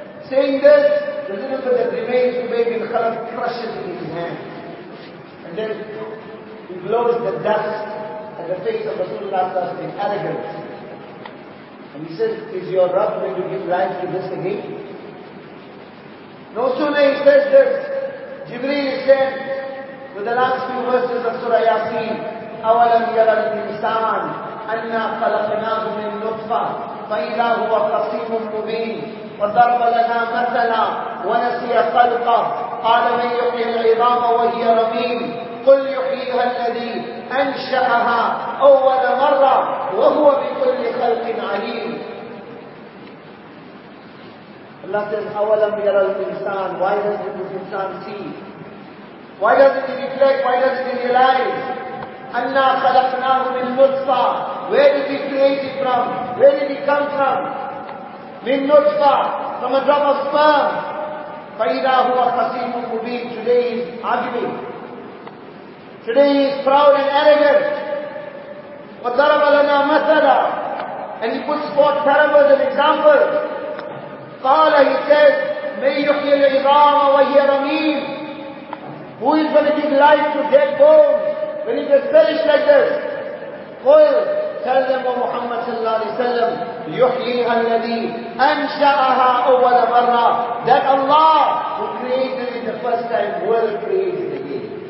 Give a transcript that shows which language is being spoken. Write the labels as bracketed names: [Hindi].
[English] Saying this, the little bit that remains to make him kind of crush it in his hand. And then he blows the dust at the face of Rasulullah in arrogance. And he says, is your Rabb going to give life to this again? No sooner he says this, Jibreel is sent with the last few verses of Surah Yasin, [Arabic] أَوَلَمْ يَرَى الْإِنسَانِ أَنَّا خَلَقْنَاهُ مِنْ نُطْفَةٍ فَإِذَا هُوَ خَصِيمٌ مُبِينٌ وَضَرَبَ لَنَا مَثَلًا وَنَسِيَ خَلْقَهُ قَالَ مَنْ يُحْيِي الْعِظَامَ وَهِيَ رَمِيمٌ قُلْ يُحْيِيهَا الَّذِي أَنْشَأَهَا أَوَّلَ مَرَّةٍ وَهُوَ بِكُلِّ خَلْقٍ عَلِيمٌ. [English] Allah says, [Arabic] أَوَلَمْ يَرَى الْإِنسَانِ. [English] Why doesn't this insan see? Why doesn't he reflect? Why doesn't he realize? [Arabic] أَنَّا خَلَقْنَاهُ مِنْ نُطْفَةٍ. [English] Where did he create it from? Where did he come from? [Arabic] مِنْ نُطْفَةٍ. [English] From a drop of sperm. [Arabic] فَإِذَا هُوَ خَصِيمٌ مُبِينٌ. [English] Today he is arguing. Today he is proud and arrogant. [Arabic] وَضَرَبَ لَنَا مَثَلًا. [English] And he puts forth parables and examples. [Arabic] قَالَ. [English] He says, [Arabic] مَنْ يُحْيِي الْعِظَامَ وَهِيَ رَمِيمٌ. [English] Who is going to give life to dead bones? When it has perished like this, [Arabic] قُلْ. [English] Tell them, O Muhammad sallallahu alayhi wa sallam, [Arabic] يُحْيِيهَا الَّذِي أَنْشَأَهَا أَوَّلَ مَرَّةٍ. [English] That Allah who created it the first time will create it again.